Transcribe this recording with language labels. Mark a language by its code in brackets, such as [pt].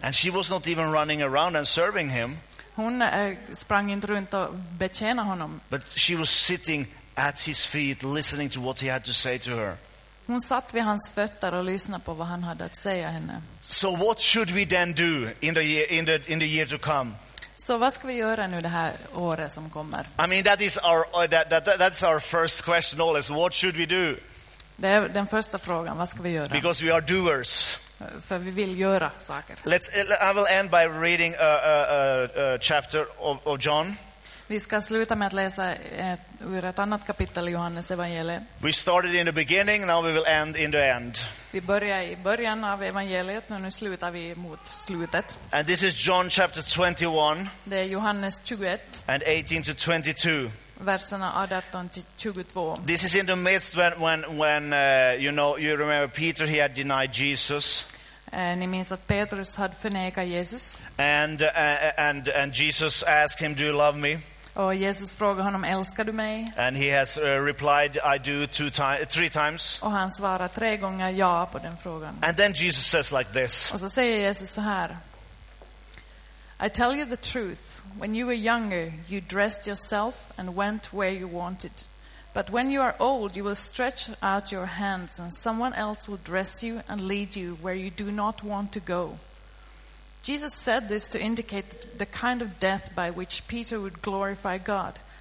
[en] And she was not even running around and serving him. [sv] Hon sprang inte runt och betjänade honom. [en] But she was sitting at his feet listening to what he had to say to her. [sv] Hon satt vid hans fötter och lyssnade på vad han hade att säga henne. [en] So what should we then do in the year to come? [sv] Så vad ska vi göra nu det här året som kommer? [en] I mean that is our that's our first question always. What should we do? [sv] Det är den första frågan, vad ska vi göra? [en] Because we are doers. [sv] För vi vill göra saker. [en] I will end by reading a chapter of John. [sv] Vi ska sluta med att läsa ur ett annat kapitel i Johannes evangeliet. [en] We started in the beginning, now we will end in the end. [sv] Vi börjar i början av evangeliet, nu slutar vi mot slutet. [en] And this is John chapter 21. [sv] Det är Johannes 21. [en] And 18 to 22. [sv] Verserna 18 till 22. [en] This is in the midst when you know, you remember Peter, he had denied Jesus. [sv] Ni minns att Petrus hade förnekat Jesus. [en] And Jesus asked him, "Do you love me?" [sv] Och Jesus frågade honom, "Älskar du mig?" [en] And he has replied, "I do," three times. [sv] Och han svarade tre gånger ja på den frågan. [en] And then Jesus says like this. [sv] Och så säger Jesus så här. [en] "I tell you the truth. When you were younger, you dressed yourself and went where you wanted. But when you are old, you will stretch out your hands and someone else will dress you and lead you where you do not want to go." Jesus said this to indicate the kind of death by which Peter would glorify God.